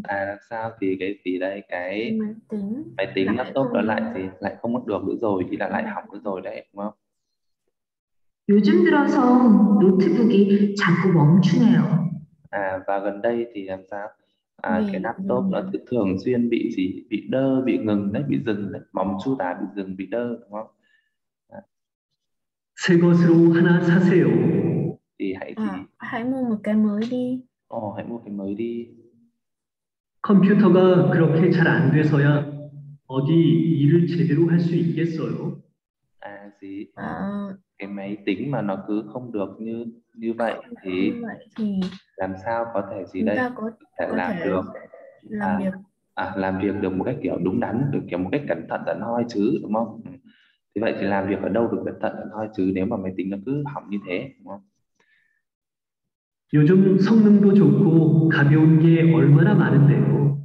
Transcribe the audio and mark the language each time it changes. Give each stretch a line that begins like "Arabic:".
Vietnamese: À làm sao thì cái gì đây, cái máy tính laptop đó lại thì lại không mất được nữa rồi, chỉ là lại hỏng nữa rồi đấy, đúng không?
Korean: 요즘 들어서 노트북이 자꾸 멈추네요.
Vietnamese: À và gần đây thì làm sao? À, ừ, cái laptop nó thường xuyên bị gì, bị đơ, bị ngừng đấy, bị dừng đấy, móng chu tả bị dừng, bị đơ, đúng không? À.
Korean: 새 것으로 하나 사세요.
Vietnamese: Thì hãy gì? À, hãy mua một cái mới đi. Ồ, hãy mua cái mới đi.
Korean: 컴퓨터가 그렇게 잘 안 돼서야 어디 일을 제대로 할 수 있겠어요? 아, 지. 아.
Vietnamese: Cái máy tính mà nó cứ không được như như vậy thì làm sao có thể gì đây? Thể làm thể được làm việc được một cách kiểu đúng đắn, được kiểu một cách cẩn thận tận hoi chứ, đúng không? Thì vậy thì làm việc ở đâu được cẩn thận tận hoi chứ nếu mà máy tính nó cứ hỏng như thế, đúng không?
Korean: 요즘 성능도 좋고 가벼운 게 얼마나 많은데요.